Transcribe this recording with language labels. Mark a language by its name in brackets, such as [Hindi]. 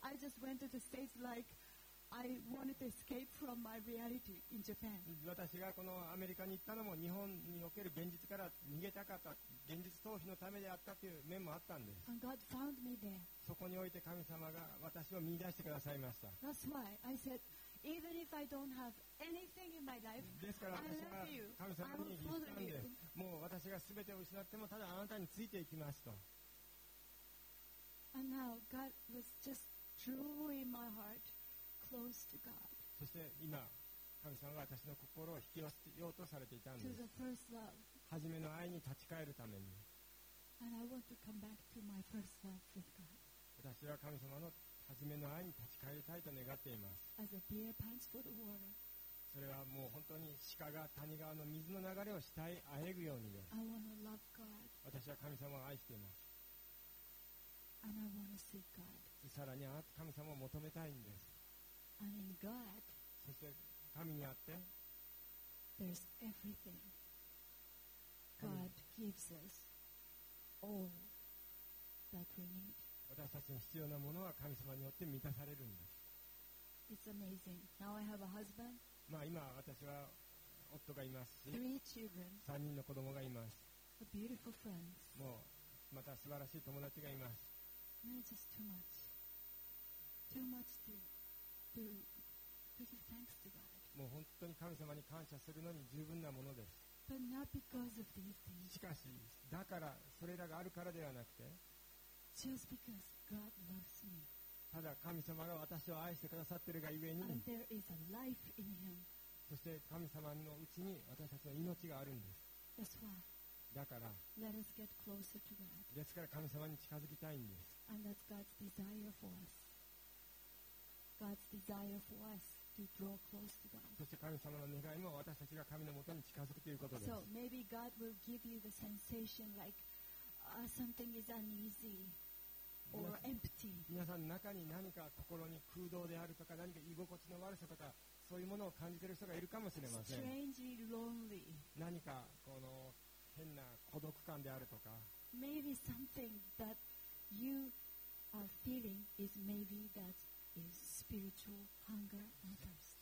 [English] I just went to the States like I wanted to escape from my reality in Japan. [Japanese] 私がこのアメリカに行ったのも日本における現実から逃げたかった、現実逃避のためであったという面もあったんです。 [English] And God found me there. [Japanese] そこにおいて神様が私を見出してくださいました。 [English] That's why I said. Even if I don't have anything in my life, [Japanese] ですから私は神様に言ったんです。もう私が全てを失ってもただあなたについていきますと。 [English] And now God was just truly in my heart, close to God. [Japanese] そして今神様が私の心を引き寄せようとされていたんです。 [English] To the first love. [Japanese] 初めの愛に立ち返るために。 [English] And I want to come back to my first love with God. [Japanese] 私は神様の初めの愛に立ち返りたいと願っています。 [English] As a deer pants for the water. [Japanese] それはもう本当に鹿が谷川の水の流れをしたいあえぐようにです。 [English] I wanna love God. [Japanese] 私は神様を愛しています。 [English] And I wanna seek God. [Japanese] さらに神様を求めたいんです。 [English] And in God, [Japanese] そして神にあって [English] There's everything God gives us all that we need. [Japanese] 私たちに必要なものは神様によって満たされるんです。 [English] It's amazing. Now I have a husband. [Japanese] まあ今私は夫がいますし、 [English] Three children. [Japanese] 3人の子供がいます。 [English] A beautiful friends. [Japanese] もうまた素晴らしい友達がいます。 [English] No, it's just too much. Too much to give thanks to God. [Japanese] もう本当に神様に感謝するのに十分なものです。 [English] But not because of these things. [Japanese] しかし、だからそれらがあるからではなくて、 [English] Just because God loves me. [Japanese] ただ神様が私を愛してくださっているがゆえに、 [English] And there is a life in him. [Japanese] そして神様のうちに私たちの命があるんです。 [English] That's why. [Japanese] だから、 [English] Let us get closer to God. [Japanese] ですから神様に近づきたいんです。 [English] And that's God's desire for us. God's desire for us to draw close to God. [Japanese] そして神様の願いも私たちが神のもとに近づくということです。 [English] So maybe God will give you the sensation like. Something is uneasy or empty. [Japanese] 皆さん中に何か心に空洞であるとか何か居心地の悪さとかそういうものを感じている人がいるかもしれません。 [English] Strangely lonely. [Japanese] 何かこの変な孤独感であるとか。 [English] Maybe something that you are feeling is maybe that is spiritual hunger and thirst.